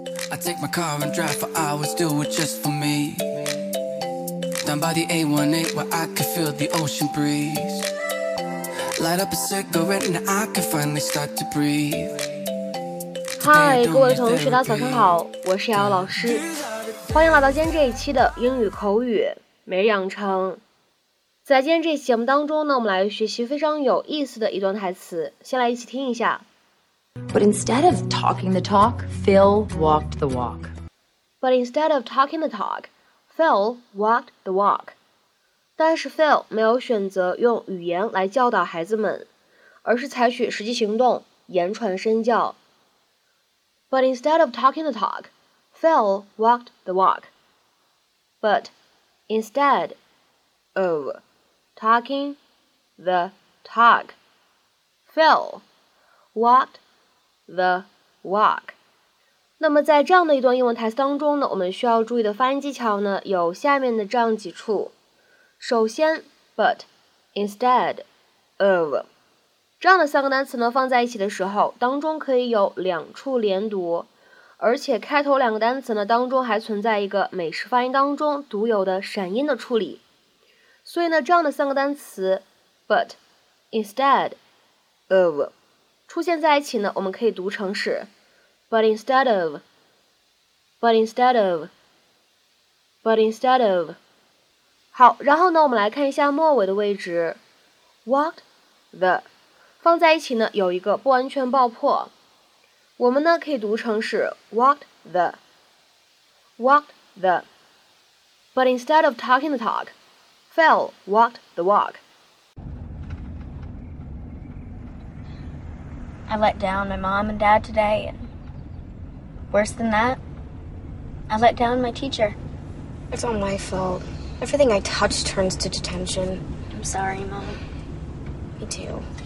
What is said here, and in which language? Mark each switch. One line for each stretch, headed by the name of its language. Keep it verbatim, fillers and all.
English: I take my car and drive for hours, do it just for me. Down by the A eighteen where I can feel the ocean breeze. Light up a cigarette and I can finally start to breathe.
Chinese: 嗨，各位同学，大家早上好，我是姚老师，欢迎来到今天这一期的英语口语每日养成。在今天这期节目当中呢，我们来学习非常有意思的一段台词，先来一起听一下。
English: But instead of talking the talk, Phil walked the walk. But instead of talking the talk, Phil walked the walk.
Chinese: 但是 Phil 没有选择用语言来教导孩子们，而是采取实际行动，言传身教。
English: But instead of talking the talk, Phil walked the walk. But instead of talking the talk, Phil walked the walk.
Chinese: 那么在这样的一段英文台词当中呢，我们需要注意的发音技巧呢，有下面的这样几处。首先
English: but instead of
Chinese: 这样的三个单词呢，放在一起的时候，当中可以有两处连读，而且开头两个单词呢，当中还存在一个美式发音当中独有的闪音的处理。所以呢，这样的三个单词
English: but instead of出现在一起呢，我们可以读成是 but instead of,
Chinese: but instead of, but instead of。好，然后呢，我们来看一下末尾的位置
English: walked the
Chinese: 放在一起呢，有一个不完全爆破，我们呢可以读成是
English: walked the, walked the, but instead of talking the talk, Phil walked the walk. I let down my mom and dad today, and worse than that, I let down my teacher. It's all my fault. Everything I touch turns to detention. I'm sorry, Mom. Me too.